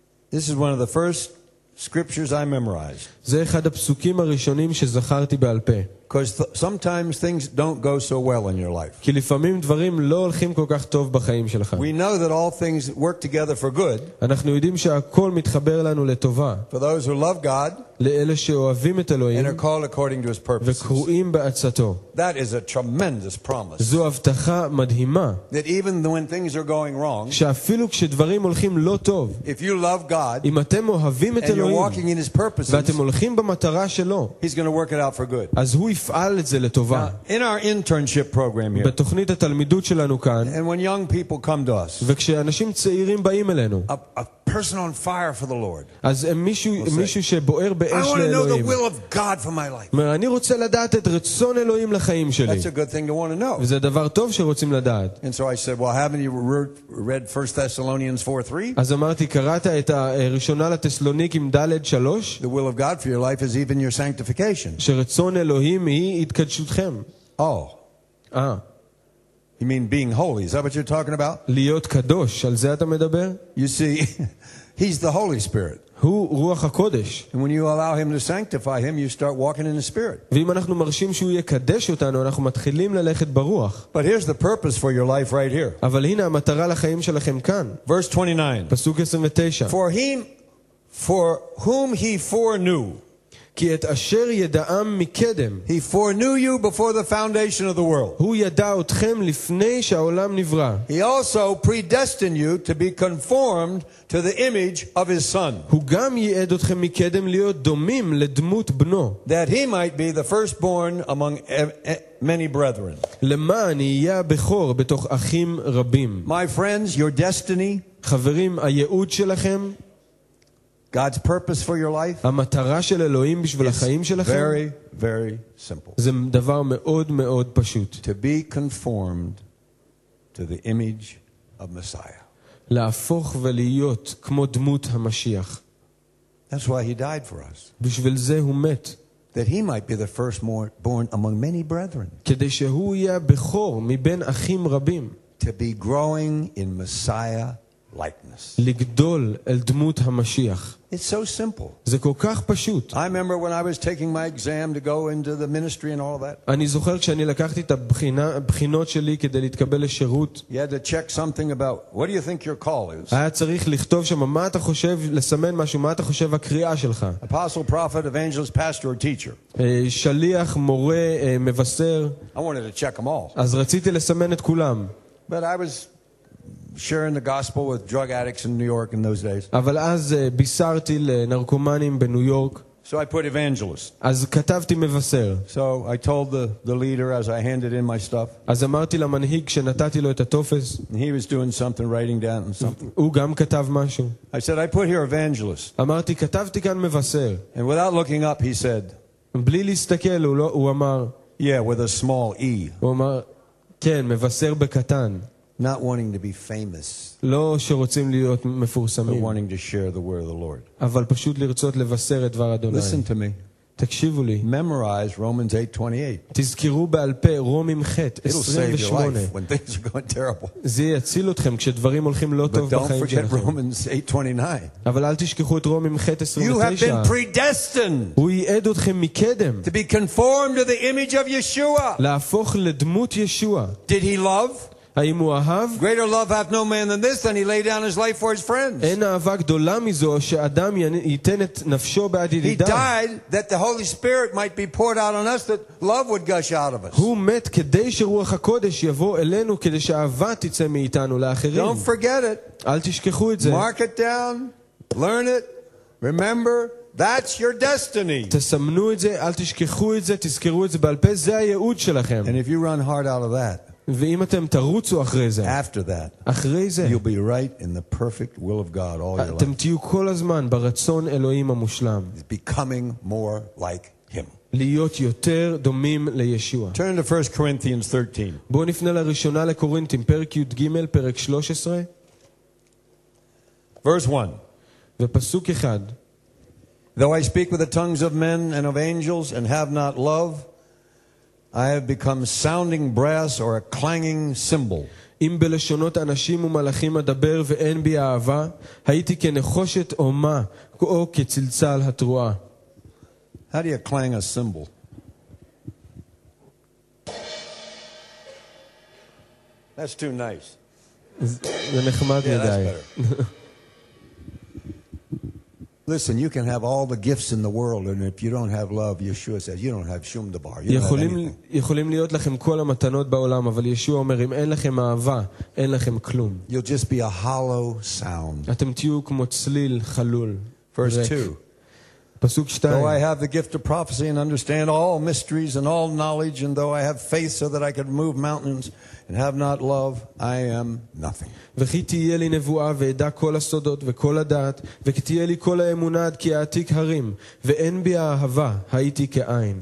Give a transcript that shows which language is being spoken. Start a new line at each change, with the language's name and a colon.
English: This is one of the first scriptures I memorized.
Hebrew: זה אחד הפסוקים הראשונים שזכרתי בעל פה.
English: Because sometimes things don't go so well in your life.
Hebrew: כי לפעמים דברים לא הולכים כל כך טוב בחיים שלך.
English: We know that all things work together for good.
Hebrew: אנחנו יודעים שהכל מתחבר לנו לטובה.
English: For those who love God.
Hebrew: לאלה שאוהבים את אלוהים.
English: And are called according to his purposes.
Hebrew: וקרואים בעצתו.
English: That is a tremendous promise.
Hebrew: זו הבטחה מדהימה.
English: That even when things are going wrong.
Hebrew: שאפילו כשדברים הולכים לא טוב.
English: If you love God.
Hebrew: אם אתם אוהבים את אלוהים.
English: And you're walking in his purposes.
Hebrew: ואתם הולכים במטרה שלו.
English: He's going to work it out for good.
Hebrew: אז הוא יפעל את זה לטובה.
English: Now, in our internship program here.
Hebrew: בתוכנית התלמידות שלנו כאן.
English: And when young people come to us.
Hebrew: וכשאנשים צעירים באים אלינו.
English: Person on fire for the Lord.
Hebrew: אז מישהו שבוער באש לאלוהים.
English: I want to know the will of God for my life.
Hebrew: אני רוצה לדעת את רצון אלוהים לחיים שלי.
English: That's a good thing to want to know.
Hebrew: וזה דבר טוב שרוצים לדעת.
English: And so I said, well, haven't you read 1 Thessalonians 4:3?
Hebrew: אז אמרתי, קראת את הראשונה לתסלוניקים ד' 3?
English: The will of God for your life is even your sanctification.
Hebrew: שרצון אלוהים היא התקדשותכם.
English: Oh. You mean being holy? Is that what you're talking about?
Hebrew: להיות קדוש, על זה אתה מדבר?
English: You see, he's the Holy Spirit.
Hebrew: הוא רוח הקודש.
English: And when you allow him to sanctify him, you start walking in the Spirit.
Hebrew: ואם אנחנו מרשים שהוא יקדש אותנו, אנחנו מתחילים ללכת ברוח.
English: But here's the purpose for your life right here.
Hebrew: אבל הנה המטרה לחיים שלכם כאן.
English: Verse 29.
Hebrew: פסוק 29.
English: For whom he foreknew.
Hebrew: כי את אשר ידעם מקדם.
English: He foreknew you before the foundation of the world.
Hebrew: הוא ידע אתכם לפני שהעולם נברא.
English: He also predestined you to be conformed to the image of his son.
Hebrew: הוא גם ייעד אתכם מקדם להיות דומים לדמות בנו.
English: That he might be the firstborn among many brethren.
Hebrew: למען יהיה בכור בתוך אחים רבים.
English: My friends, your destiny.
Hebrew: חברים, הייעוד שלכם.
English: God's purpose for your life?
Hebrew: המטרה של אלוהים בשביל החיים שלכם?
English: Very, very simple.
Hebrew: זה דבר מאוד מאוד פשוט.
English: To be conformed to the image of Messiah.
Hebrew: להפוך ולהיות כמו דמות המשיח.
English: That's why he died for us.
Hebrew: בשביל זה הוא מת.
English: That he might be the firstborn among many brethren.
Hebrew: כדי שהוא יהיה בכור מבין אחים רבים.
English: To be growing in Messiah likeness.
Hebrew: לגדול אל דמות המשיח.
English: It's so simple.
Hebrew: זה כל כך פשוט.
English: I remember when I was taking my exam to go into the ministry and all that.
Hebrew: אני זוכר שאני לקחתי את הבחינות שלי כדי להתקבל לשירות.
English: You had to check something about what do you think your call is?
Hebrew: היה צריך לכתוב שם מה אתה חושב, לסמן משהו, מה אתה חושב הקריאה שלך.
English: Apostle, prophet, evangelist, pastor, or teacher.
Hebrew: שליח, מורה, מבשר.
English: I wanted to check them all.
Hebrew: אז רציתי לסמן את כולם.
English: But I was sharing the gospel with drug addicts in New York in those days.
Hebrew: אבל אז ביסרתי לנרקומנים בניו יורק.
English: So I put evangelist.
Hebrew: אז כתבתי מבשר.
English: So I told the leader as I handed in my stuff.
Hebrew: אז אמרתי למנהיג שנתתי לו את הטופס.
English: He was doing something, writing down something.
Hebrew: הוא גם כתב משהו.
English: I said, I put here evangelist.
Hebrew: אמרתי כתבתי כאן מבשר.
English: And without looking up, he said,
Hebrew: בלי להסתכל, הוא אמר,
English: yeah, with a small e.
Hebrew: הוא אמר, כן, מבשר בקטן.
English: Not wanting to be famous.
Hebrew: לא שרוצים להיות מפורסמים.
English: But wanting to share the word of the Lord.
Hebrew: אבל פשוט לרצות לבשר את דבר אדוני.
English: Listen to me.
Hebrew: תקשיבו לי.
English: Memorize Romans 8:28.
Hebrew: תזכרו בעל פה רומים ח' 28.
English: It'll save your life when things are going terrible.
Hebrew: זה יציל אתכם כשדברים הולכים לא טוב בחיים שלכם.
English: But don't forget Romans 8:29.
Hebrew: אבל אל תשכחו את רומים ח' 29.
English: You have been predestined.
Hebrew: הוא ייעד אתכם מקדם.
English: To be conformed to the image of Yeshua.
Hebrew: להפוך לדמות ישוע.
English: Did he love?
Hebrew: האם הוא אהב?
English: Greater love hath no man than this, than he lay down his life for his friends.
Hebrew: אין אהבה גדולה מזו שאדם ייתן את נפשו בעד ידידיו.
English: He died that the Holy Spirit might be poured out on us, that love would gush out of us.
Hebrew: הוא מת כדי שרוח הקודש יבוא אלינו, כדי שאהבה תצא מאיתנו לאחרים.
English: Don't forget it.
Hebrew: אל תשכחו את זה.
English: Mark it down, learn it, remember. That's your destiny.
Hebrew: תסמנו את זה, אל תשכחו את זה, תזכרו את זה בעל פה, זה הייעוד שלכם.
English: And if you run hard out of that,
Hebrew: ואם אתם תרוצו אחרי זה,
English: after that,
Hebrew: אחרי זה,
English: you'll be right in the perfect will of God all your life.
Hebrew: אתם תהיו כל הזמן ברצון אלוהים המושלם.
English: Becoming more like him.
Hebrew: להיות יותר דומים לישוע.
English: Turn to 1 Corinthians 13.
Hebrew: בואו נפנה לראשונה לקורינתים, פרק י"ג, פרק 13.
English: Verse 1.
Hebrew: ופסוק אחד.
English: Though I speak with the tongues of men and of angels and have not love, I have become sounding brass or a clanging cymbal.
Hebrew: אם בלשונות אנשים ומלאכים אדבר ואין בי אהבה, הייתי כנחושת אומה או כצלצל התרועה.
English: How do you clang a cymbal? That's too nice.
Hebrew: זה נחמד מדי.
English: Listen, you can have all the gifts in the world, and if you don't have love, Yeshua says, you don't have
Hebrew: shum dabar. יכולים להיות לכם כל המתנות בעולם, אבל ישוע אומר, אם אין לכם אהבה, אין לכם כלום.
English: You'll just be a hollow sound.
Hebrew: אתם תהיו כמו צליל חלול.
English: Verse 2.
Hebrew: פסוק 2.
English: Though I have the gift of prophecy and understand all mysteries and all knowledge, and though I have faith so that I could move mountains, and have not love, I am nothing.
Hebrew: וכי תהיה לי נבואה ועדה כל הסודות וכל הדעת, וכתהיה לי כל האמונה עד כי העתיק הרים, ואין בי אהבה, הייתי כעין.